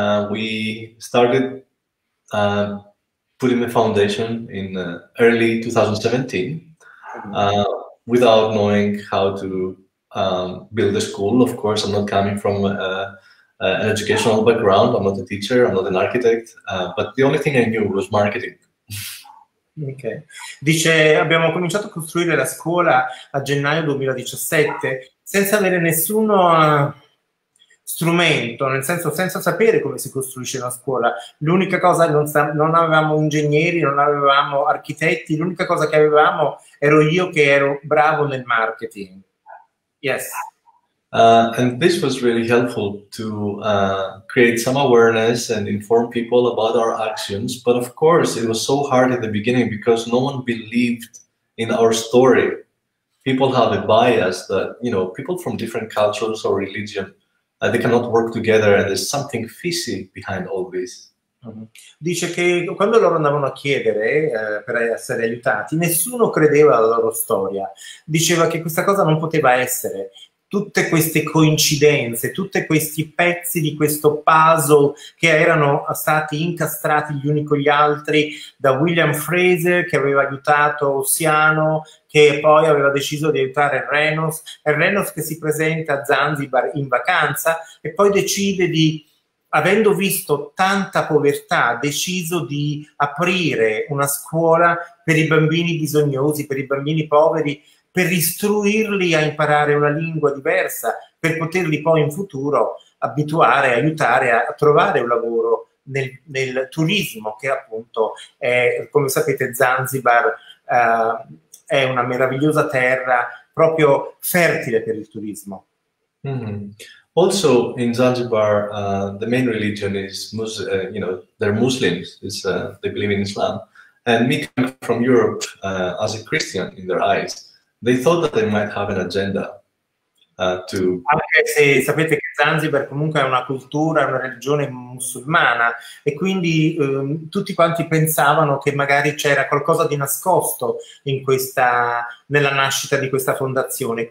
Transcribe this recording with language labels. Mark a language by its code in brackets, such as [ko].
[en] We started putting the foundation in early 2017 without knowing how to build a school. Of course, I'm not coming from an educational background. I'm not a teacher. I'm not an architect. But the only thing I knew was marketing. Ok. [it] Dice, abbiamo cominciato a costruire la scuola a gennaio 2017 senza avere nessuno strumento, nel senso senza sapere come si costruisce una scuola. L'unica cosa, non avevamo ingegneri, non avevamo architetti, l'unica cosa che avevamo ero io che ero bravo nel marketing. [en] Yes. And this was really helpful to create some awareness and inform people about our actions, but of course it was so hard in the beginning because no one believed in our story. People have a bias that, you know, people from different cultures or religion, they cannot work together, and there's something fishy behind all this. [it] Dice che quando loro andavano a chiedere per essere aiutati, nessuno credeva alla loro storia. Diceva che questa cosa non poteva essere. Tutte queste coincidenze, tutti questi pezzi di questo puzzle che erano stati incastrati gli uni con gli altri da William Fraser, che aveva aiutato Ossiano, che poi aveva deciso di aiutare Reynolds, e Reynolds che si presenta a Zanzibar in vacanza e poi decide di, avendo visto tanta povertà, ha deciso di aprire una scuola per i bambini bisognosi, per i bambini poveri, per istruirli a imparare una lingua diversa, per poterli poi in futuro abituare, aiutare a trovare un lavoro nel turismo, che appunto è, come sapete, Zanzibar è una meravigliosa terra proprio fertile per il turismo. Mm-hmm. [en] Also in Zanzibar, the main religion is they're Muslims. They believe in Islam. And me coming from Europe as a Christian, in their eyes, they thought that they might have an agenda to. [it] Anche se sapete che Zanzibar comunque è una cultura, una religione musulmana, e quindi tutti quanti pensavano che magari c'era qualcosa di nascosto in questa, nella nascita di questa fondazione.